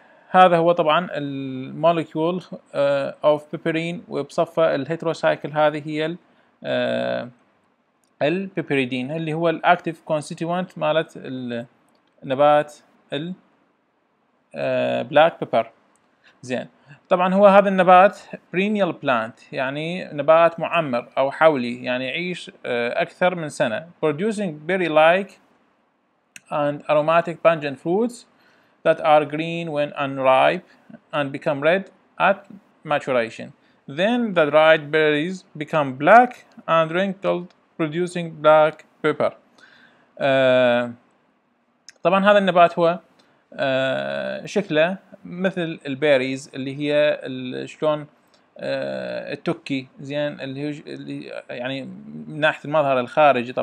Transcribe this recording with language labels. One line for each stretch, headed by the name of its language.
Arabic: هذا هو طبعا
English: المولكيول of piperine,
Arabic: وبصفة الهيتروسايكل هذه هي البيبريدين اللي هو
English: الاكتيف كونستيتوانت
Arabic: مالت النبات
English: البلاك بيبر،
Arabic: زين. طبعا هو هذا النبات
English: perennial plant,
Arabic: يعني نبات معمر او حولي، يعني يعيش اكثر من سنة.
English: producing berry like and aromatic pungent fruits that are green when unripe and become red at maturation. Then the dried berries become black and wrinkled, producing black pepper.
Arabic: طبعا هذا النبات هو شكله مثل البيريز اللي هي شلون التوكي، زين، اللي يعني من ناحية المظهر الخارجي.